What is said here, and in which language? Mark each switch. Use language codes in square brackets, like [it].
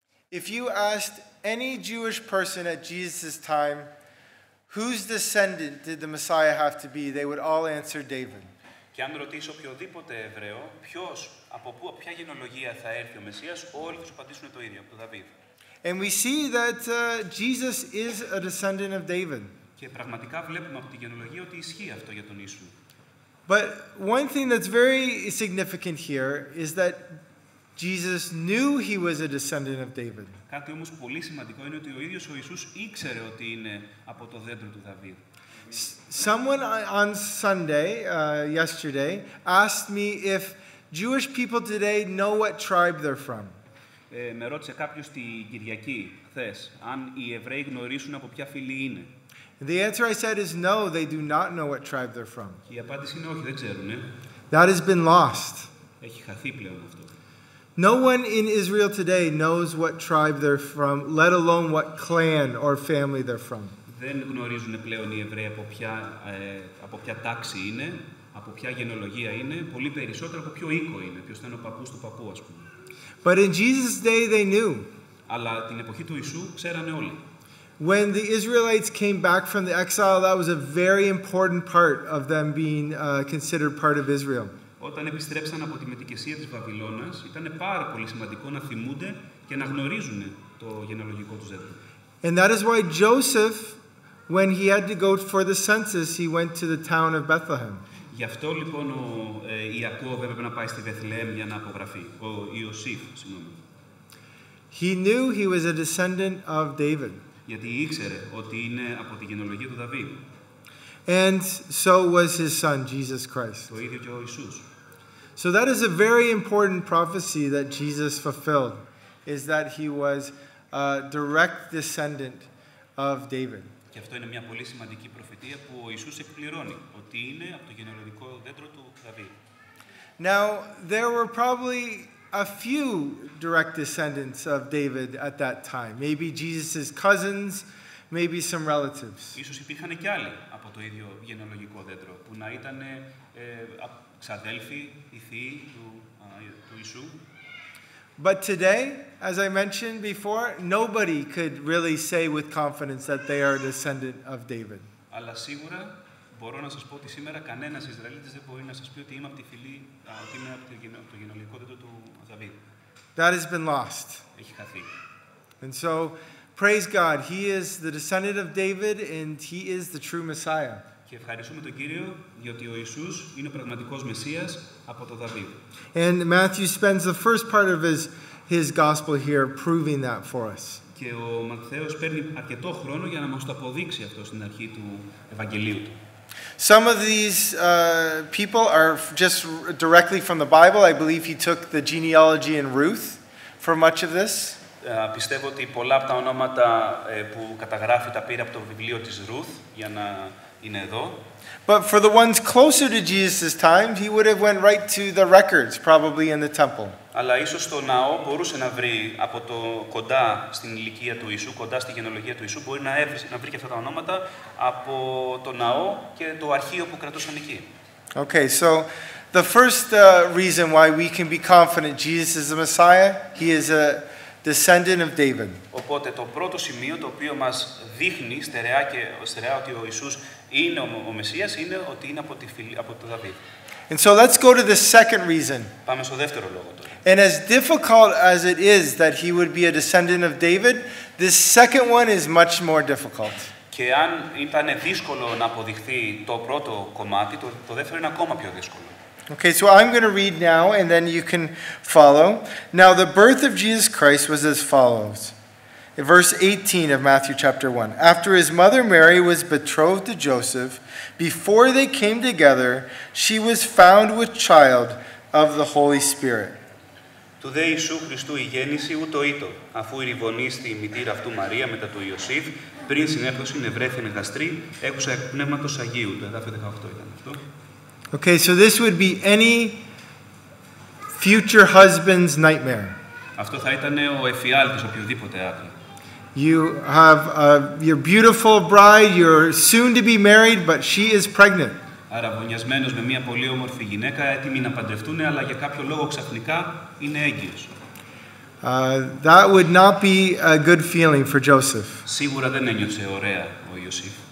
[en] If you asked any Jewish person at Jesus' time, whose descendant did the Messiah have to be? They would all answer David. [el] Και αν ρωτήσω οποιοδήποτε Εβραίο, ποιος, από πού, από ποια γενεολογία θα έρθει ο Μεσσίας, όλοι θα σου απαντήσουν το ίδιο, από τον Δαβίδ. [en] And we see that Jesus is a descendant of David. [el] Και πραγματικά βλέπουμε από τη γενεολογία ότι ισχύει αυτό για τον Ιησού. [en] But one thing that's very significant here is that Jesus knew he was a descendant of David. [el] Κάτι όμως πολύ σημαντικό είναι ότι ο ίδιος ο Ιησούς ήξερε ότι είναι από το δέντρο του Δαβίδ. [en] Someone on Sunday, yesterday, asked me if Jewish people today know what tribe they're from. [el] Με ρώτησε κάποιος την Κυριακή, χθες, αν οι Εβραίοι γνωρίζουν από ποια φυλή είναι. [en] The answer I said is no, they do not know what tribe they're from. [el] Η απάντηση είναι όχι, δεν ξέρουν. [en] That has been lost. [el] Έχει χαθεί πλέον αυτό. [en] No one in Israel today knows what tribe they're from, let alone what clan or family they're from. [el] Δεν γνωρίζουν πλέον οι Εβραίοι από ποια τάξη είναι, από ποια γενεολογία είναι, πολύ περισσότερο από ποιο οίκο είναι, ποιος ήταν ο παππούς του παππού, ας πούμε. [en] But in Jesus' day they knew. [el] Αλλά την εποχή του Ιησού ξέρανε όλοι. [en] When the Israelites came back from the exile, that was a very important part of them being considered part of Israel. [el] Όταν επιστρέψαν από τη μετικεσία της Βαβυλώνας, ήταν πάρα πολύ σημαντικό να θυμούνται και να γνωρίζουν το γενεολογικό τους δέντρο. [en] And that is why Joseph, when he had to go for the census, he went to the town of Bethlehem. [el] Γι' αυτό λοιπόν ο Ιακώβ έπρεπε να πάει στη Βεθλεέμ για να απογραφεί. Ο Ιωσήφ, συγγνώμη. [en] He knew he was a descendant of David. [el] Γιατί ήξερε ότι είναι από τη γενεολογία του Δαβίδ. [en] And so was his son, Jesus Christ. [el] Το ίδιο και ο Ιησούς. [en] So that is a very important prophecy that Jesus fulfilled, is that he was a direct descendant of David. [el] Και αυτό είναι μια πολύ σημαντική προφητεία που ο Ιησούς εκπληρώνει, ότι είναι από το γενεολογικό δέντρο του Δαβίδ. [en] Now, there were probably a few direct descendants of David at that time. Maybe Jesus' cousins, maybe some relatives. [el] Ίσως υπήρχαν και άλλοι από το ίδιο γενεολογικό δέντρο, που να ήταν ξαδέλφοι, οι θείοι του Ιησού. [en] But today, as I mentioned before, nobody could really say with confidence that they are a descendant of David. [el] Αλλά σίγουρα μπορώ να σας πω ότι σήμερα κανένας Ισραηλίτης δεν μπορεί να σας πει ότι είμαι από τη φυλή, ότι είμαι από το γενεολογικό δέντρο του Δαβίδ. [en] That has been lost. [el] Έχει χαθεί. [en] And so, praise God, he is the descendant of David and he is the true Messiah. [el] Και ευχαριστούμε τον Κύριο, διότι ο Ιησούς είναι ο πραγματικός Μεσσίας από το Δαβίδ. [en] And Matthew spends the first part of his gospel here proving that for us. [el] Και ο Ματθαίος παίρνει αρκετό χρόνο για να μας το αποδείξει αυτό στην αρχή του Ευαγγελίου του. [en] Some of these people are just directly from the Bible. I believe he took the genealogy in Ruth for much of this. [el] Πιστεύω ότι πολλά από τα ονόματα που καταγράφει τα πήρε από το βιβλίο της Ruth για να είναι εδώ. [en] But for the ones closer to Jesus' time, he would have went right to the records, probably in the temple. [el] Αλλά ίσως στο ναό μπορούσε να βρει από το κοντά στην ηλικία του Ιησού, κοντά στη γενεολογία του Ιησού, μπορεί να βρει και αυτά τα ονόματα από το ναό και το αρχείο που κρατούσαν εκεί. [en] Okay, so the first reason why we can be confident Jesus is the Messiah, he is a descendant of David. [el] Οπότε το πρώτο σημείο το οποίο μας δείχνει στερεά και στερεά ότι ο Ιησούς είναι ο Μεσσίας είναι ότι είναι από τη φυλή, από τον Δαβίδ. [en] And so let's go to the second reason. [el] Πάμε στο δεύτερο λόγο τώρα. [en] And as difficult as it is that he would be a descendant of David, this second one is much more difficult. [el] Και αν ήταν δύσκολο να αποδειχθεί το πρώτο κομμάτι, το δεύτερο είναι ακόμα πιο δύσκολο. [en] Okay, so I'm going to read now, and then you can follow. Now, the birth of Jesus Christ was as follows. Verse 18 of Matthew chapter 1. After his mother Mary was betrothed to Joseph, before they came together, she was found with child of the Holy Spirit. [el] Του δε Ιησού Χριστού η γέννηση ούτω ήτω, αφού ηρυβωνίστη η μητήρα αυτού Μαρία μετά του Ιωσήφ, πριν συνέπτωση νευρέθη με γαστρή, έχουσα εκ πνεύματος Αγίου. Το εδάφιο 18 ήταν αυτό. [en] Okay, so this would be any future husband's nightmare. [el] Αυτό θα ήταν ο εφιάλτης οποιοδήποτε άλλο. [en] You have your beautiful bride, you're soon to be married, but she is pregnant. [el] Αραβωνιασμένος με μια πολύ όμορφη γυναίκα, έτοιμη να παντρευτούν, αλλά για κάποιο λόγο ξαφνικά είναι έγκυος. [en] That would not be a good feeling for Joseph. [el] Σίγουρα δεν ένιωσε ωραία ο Ιωσήφ.